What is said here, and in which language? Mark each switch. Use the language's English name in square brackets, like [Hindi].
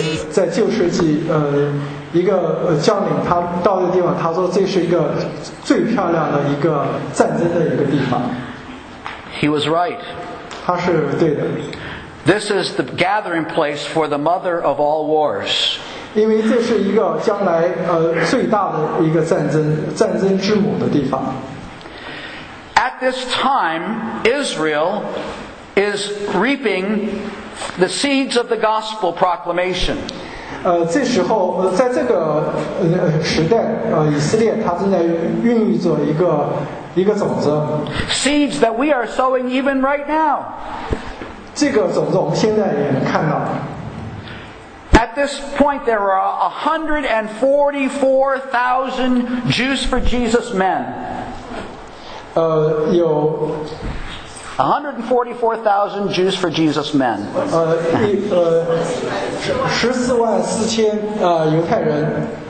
[Chinese] 在旧世纪，一个将领他到的地方，他说这是一个最漂亮的一个战争的一个地方。 [English] He was right. [Chinese] 他是对的。 [English] This is the gathering place for the mother of all wars. [Chinese] 因为这是一个将来最大的一个战争之母的地方。 [English] At this time, Israel is reaping the seeds of the gospel proclamation. [Chinese] 这时候在这个时代以色列它正在孕育着一个种子 [English] seeds that we are sowing even right now [Chinese] 这个种子我们现在也能看到 [English] at this point there are 144,000 Jews for Jesus men [Chinese] 有 [English] 144,000 Jews for Jesus men. [Chinese] 144,000 犹太人。